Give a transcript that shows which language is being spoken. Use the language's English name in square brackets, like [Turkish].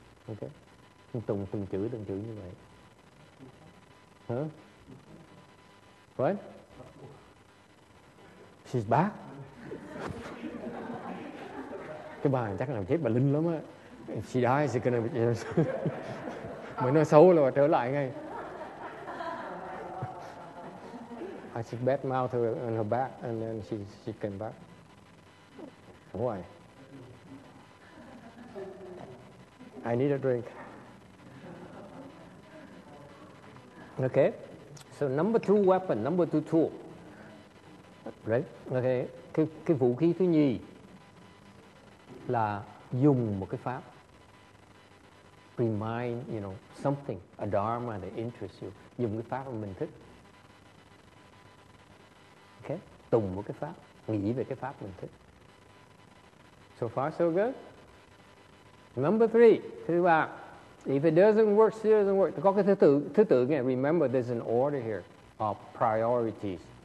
[Vietnamese] Ok. Tùng từng chữ như vậy. Hả? What? [English] She's back. [Vietnamese] Cái bà chắc là chết bà linh lắm á. [English] She dies, she's gonna be... [Vietnamese] Mới nói xấu là trở lại ngay. [English] I should bad mouth her on her back and then she came back. Why? I need a drink. Okay. So number two weapon, number two tool. Right? Okay. [Vietnamese] Cái vũ khí thứ nhì là dùng một cái pháp. [English] Remind, you know, something, a dharma that interests you. [Vietnamese] Dùng cái pháp mà mình thích. Okay? Tùng một cái pháp, nghĩ về cái pháp mình thích. [English] So far, so good. Number three, [Vietnamese] thứ ba. [English] If it doesn't work, it doesn't work. [Vietnamese] Có cái thứ tự nghe. [English] Remember, there's an order here of priorities.